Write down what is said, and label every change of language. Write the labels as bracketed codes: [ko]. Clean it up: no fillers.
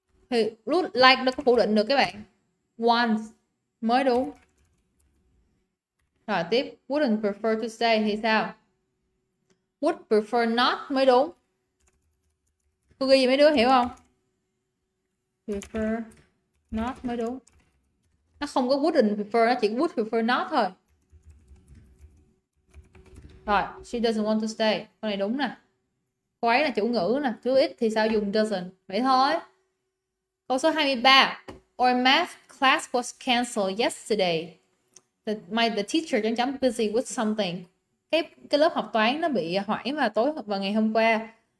[vi] Thì would like nó có phủ định được các bạn. Want mới đúng. Rồi tiếp, wouldn't prefer to say thì sao? Would prefer not mới đúng. Cô ghi gì mấy đứa hiểu không? Prefer not mới đúng. Nó không có [en] wouldn't prefer, [vi] nó chỉ [en] would prefer not [vi] thôi. Rồi, [en] she doesn't want to stay. [vi] Con này đúng nè. Cô ấy là chủ ngữ nè. Chứ ít thì sao dùng doesn't. Vậy thôi. Câu số 23. [en] Our math class was canceled yesterday. The teacher [vi] chấm chấm [en] busy with something. [vi] Cái lớp học toán nó bị hoãn vào tối vào ngày hôm qua.